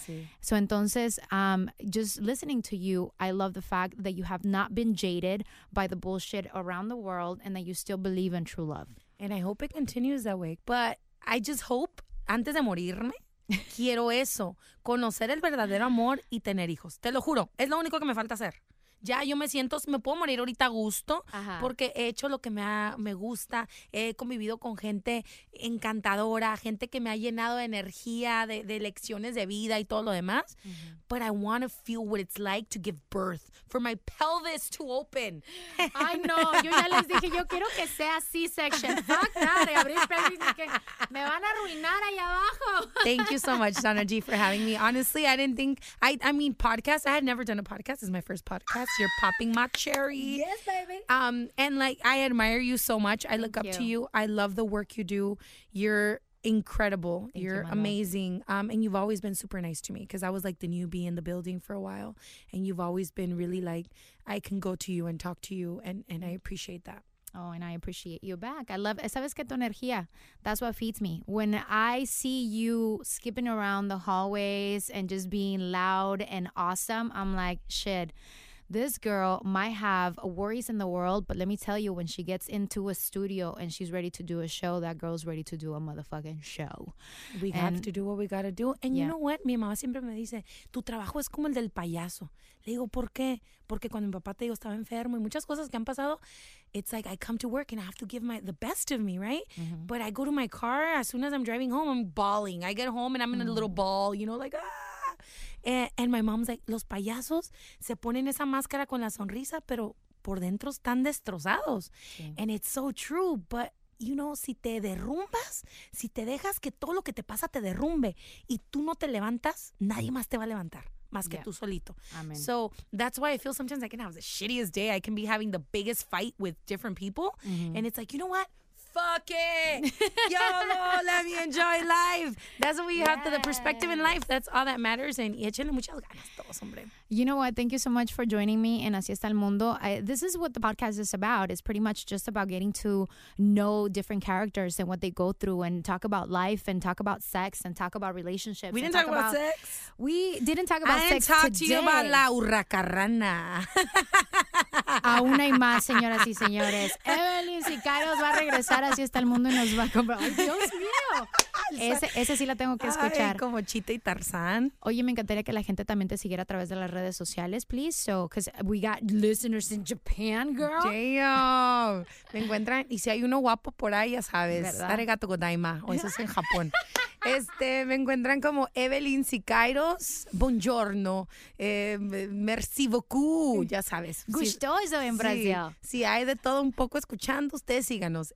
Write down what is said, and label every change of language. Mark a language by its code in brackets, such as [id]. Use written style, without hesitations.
[es] Sí. [en] So entonces, just listening to you, I love the fact that you have not been jaded by the bullshit around the world and that you still believe in true love. And I hope it continues that way. But I just hope, [es] antes de morirme, quiero eso, conocer el verdadero amor y tener hijos. Te lo juro, es lo único que me falta hacer. Ya yo me siento, me puedo morir ahorita a gusto porque he hecho lo que me gusta, he convivido con gente encantadora, gente que me ha llenado de energía, de lecciones de vida y todo lo demás. Mm-hmm. [en] But I want to feel what it's like to give birth, for my pelvis to open. I know, [es] yo ya les dije, yo quiero que sea C-section. [en] Fuck that, [es] abrir pelvis, que me van a arruinar allá abajo. [en] Thank you so much, Donna G, for having me. Honestly, I didn't think, I mean, podcast, I had never done a podcast, this is my first podcast. You're popping my cherry. Yes, baby. And like, I admire you so much. I look up to you. I love the work you do. You're incredible. You're amazing. And you've always been super nice to me because I was like the newbie in the building for a while. And you've always been really like, I can go to you and talk to you. And I appreciate that. Oh, and I appreciate you back. I love, [es] ¿sabes qué? Tu energía. [en] That's what feeds me. When I see you skipping around the hallways and just being loud and awesome, I'm like, shit. This girl might have worries in the world, but let me tell you, when she gets into a studio and she's ready to do a show, that girl's ready to do a motherfucking show. We have to do what we gotta do. And you know what? [es] Mi mamá siempre me dice, tu trabajo es como el del payaso. [en] Le digo, ¿por qué? Porque cuando mi papá te digo estaba enfermo y muchas cosas que han pasado, it's like I come to work and I have to give the best of me, right? Mm-hmm. But I go to my car, as soon as I'm driving home, I'm bawling. I get home and I'm in a little ball, you know, like, And my mom's like, [es] los payasos se ponen esa máscara con la sonrisa, pero por dentro están destrozados. [en] Okay. And it's so true, but you know, [es] si te derrumbas, si te dejas que todo lo que te pasa te derrumbe y tú no te levantas, nadie más te va a levantar, más que tú solito. [en] Amen. So that's why I feel sometimes I can have the shittiest day. I can be having the biggest fight with different people. Mm-hmm. And it's like, you know what? Fuck it. YOLO, let me enjoy life. That's what we have to the perspective in life. That's all that matters. [es] And échenle muchas ganas todos, hombre. [en] You know what? Thank you so much for joining me in Así Está el Mundo. This is what the podcast is about. It's pretty much just about getting to know different characters and what they go through and talk about life and talk about sex and talk about relationships. We didn't talk about sex. We didn't talk about sex today. I didn't talk to you about la hurracarrana. [es] Aún hay más, señoras y señores. Evelyn Sicarios va a regresar a Así Está el Mundo y nos va a comprar. ¡Dios mío! Ese sí la tengo que escuchar. Ay, como Chita y Tarzán. Oye, me encantaría que la gente también te siguiera a través de las redes sociales, please. [en] So, because we got listeners in Japan, girl. Damn. [es] Me encuentran. Y si hay uno guapo por ahí, ya sabes. ¿Verdad? Arigato Godaima. O eso es en Japón. Me encuentran como Evelyn Sikairos. Buongiorno. Merci beaucoup. Ya sabes. Gustoso en Brasil. Si hay de todo un poco escuchando, ustedes síganos.